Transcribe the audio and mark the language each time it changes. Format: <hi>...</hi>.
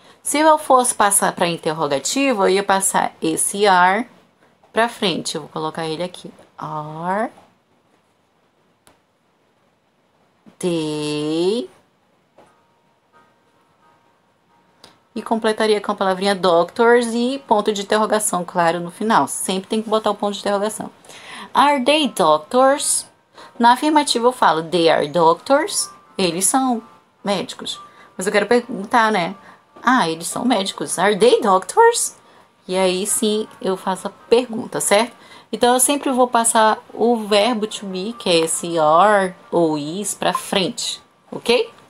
<pt>Se eu fosse passar para a interrogativa, eu ia passar esse are para frente. Eu vou colocar ele aqui. Are. E completaria com a palavrinha doctors e ponto de interrogação, claro, no final. Sempre tem que botar o ponto de interrogação.</pt> <en>Are they doctors?</en> <pt>Na afirmativa eu falo</pt> <en>they are doctors.</en> <pt>Eles são médicos. Mas eu quero perguntar, né? Ah, eles são médicos.</pt> <en>Are they doctors?</en> <pt>E aí sim eu faço a pergunta, certo? Então, eu sempre vou passar o verbo to be, que é esse are ou is, para frente, ok?</pt>